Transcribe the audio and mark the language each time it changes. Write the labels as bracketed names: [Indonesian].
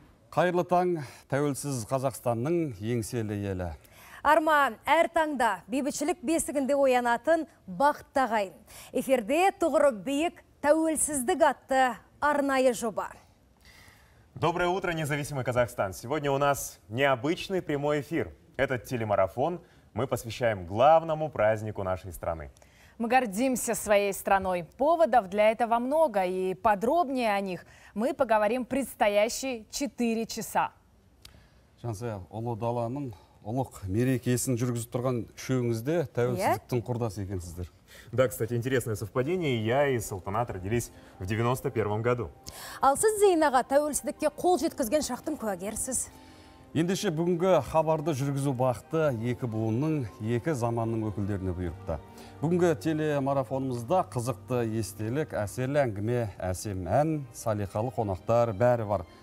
[Kazakh] Қайырлы таң, тәуелсіз Қазақстанның еңселі елі. Арман, әр таңда бейбітшілік бесігінде оянатын бақытта ғайын. Эфирде тұғыры биік тәуелсіздік атты арнайы жоба. [Russian] Доброе утро, независимый Казахстан. Сегодня у нас необычный прямой эфир. Этот телемарафон мы посвящаем главному празднику нашей страны. Мы гордимся своей страной. Поводов для этого много, и подробнее о них мы поговорим в предстоящие 4 часа. [Kazakh] Жансы, Олы Даланың Олық мерекесін жүргізіп тұрған үшеуіңізде тәуелсіздіктің құрдасы екенсіздер. [Russian] Да, кстати, интересное совпадение. Я и Салтанат родились в 91-м году. [Kazakh] Ал сіз Зейнаға тәуелсіздікке қол жеткізген шақтың куәгерсіз. Ендеше бүгінгі хабарды жүргізу бақыты екі буынның, екі заманның өкілдеріне бұйырыпты. Бүгінгі телемарафонымызда қызықты естелік, әсерлі әңгіме, әсем ән, салиқалы қонақтар бәрі бар.